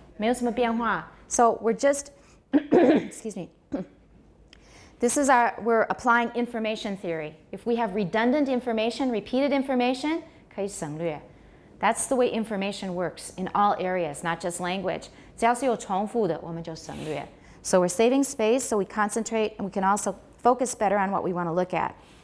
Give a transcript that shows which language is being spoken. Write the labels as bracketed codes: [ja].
[zh] 没有什么变化. [en] So we're just, excuse me. This is our, we're applying information theory. If we have redundant information, repeated information, [zh] 可以省略. [en] That's the way information works in all areas, not just language. [zh] 只要是有重复的，我们就省略. [en] So we're saving space, so we concentrate, and we can also focus better on what we want to look at.